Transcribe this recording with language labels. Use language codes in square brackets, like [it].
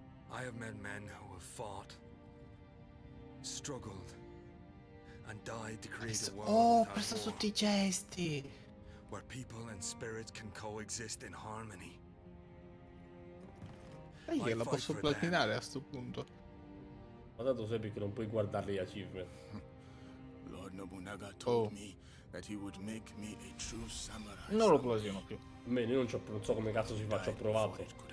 [en] I have met men who have fought, struggled and died to create a world. [it] Oh, presto tutti i gesti. [en] Where people and spirits can coexist in harmony. [it] Io la posso platinare a sto punto. Ma dato sempre che non puoi guardare gli achievement. [en] Lord Nobunaga told me that he would make me a true samurai. [it] Non lo platino più. Bene, io non so come cazzo si faccia a provarlo.